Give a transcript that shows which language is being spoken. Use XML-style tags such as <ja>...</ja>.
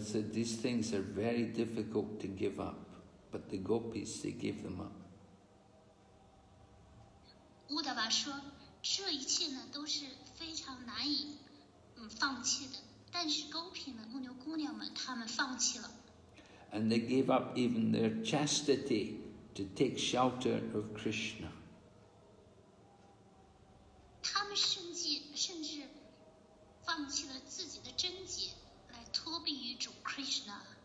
<en>said these things are very difficult to give up, but the gopis they gave them up.</en> <zh>乌德瓦说，这一切呢都是非常难以放弃的，但是勾皮们、牧牛姑娘们，他们放弃了。</zh> <en>And they gave up even their chastity to take shelter of Krishna.</en> <zh>他们甚至放弃了自己的贞洁来托庇于主 Krishna.</zh>